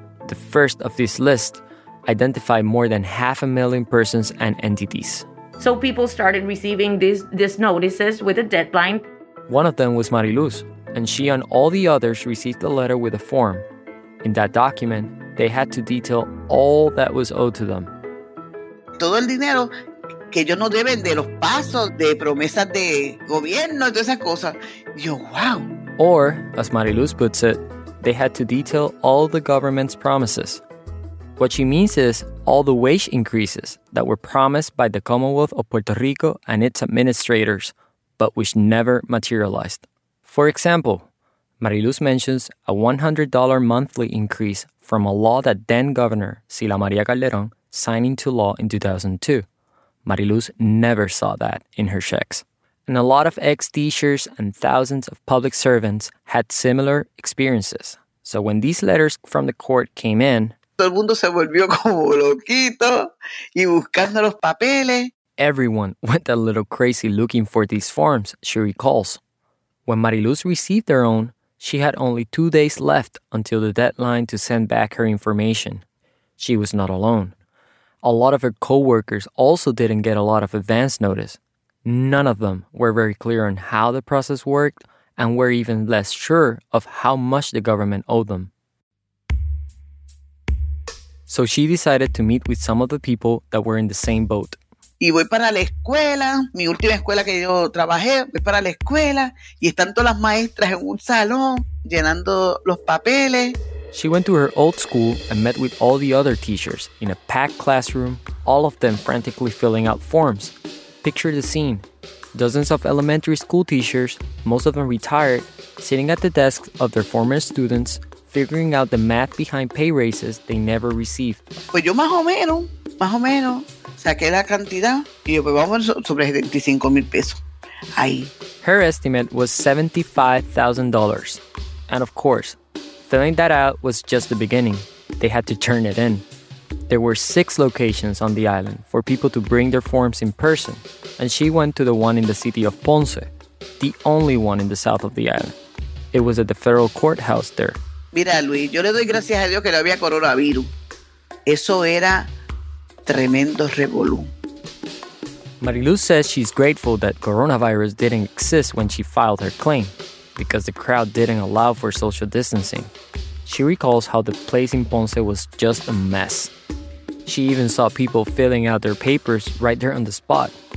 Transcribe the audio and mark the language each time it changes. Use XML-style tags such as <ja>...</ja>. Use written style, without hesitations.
<en>The first of this list identified more than 500,000 persons and entities. So people started receiving these notices with a deadline. One of them was Mariluz, and she and all the others received a letter with a form. In that document, they had to detail all that was owed to them.</en> <es>Todo el dinero que ellos no deben de los pasos, de promesas de gobierno, todas esas cosas. Yo, wow.</es> <en>Or, as Mariluz puts it, they had to detail all the government's promises. What she means is all the wage increases that were promised by the Commonwealth of Puerto Rico and its administrators, but which never materialized. For example, Mariluz mentions a $100 monthly increase from a law that then-Governor Sila Maria Calderón signed into law in 2002. Mariluz never saw that in her checks. And a lot of ex-teachers and thousands of public servants had similar experiences. So when these letters from the court came in,</en> <es>todo el mundo se volvió como loquito y buscando los papeles.</es> <en>Everyone went a little crazy looking for these forms, she recalls. When Mariluz received her own, she had only 2 days left until the deadline to send back her information. She was not alone. A lot of her co-workers also didn't get a lot of advance notice. None of them were very clear on how the process worked and were even less sure of how much the government owed them. So she decided to meet with some of the people that were in the same boat.</en> <es>Y voy para la escuela, mi última escuela que yo trabajé, voy para la escuela y están todas las maestras en un salón llenando los papeles.</es> <en>She went to her old school and met with all the other teachers in a packed classroom, all of them frantically filling out forms. Picture the scene. Dozens of elementary school teachers, most of them retired, sitting at the desks of their former students, figuring out the math behind pay raises they never received.</en> <es>Pues yo más o menos, saqué la cantidad y yo, pues vamos sobre 75 mil pesos. Ahí.</es> <en>Her estimate was $75,000. And of course, filling that out was just the beginning. They had to turn it in. There were 6 locations on the island for people to bring their forms in person, and she went to the one in the city of Ponce, the only one in the south of the island. It was at the federal courthouse there.</en> <es>Mira, Luis, yo le doy gracias a Dios que no había coronavirus. Eso era tremendo revolú.</es> <en>Mariluz says she's grateful that coronavirus didn't exist when she filed her claim, because the crowd didn't allow for social distancing. She recalls how the place in Ponce was just a mess. She even saw people filling out their papers right there on the spot.</en>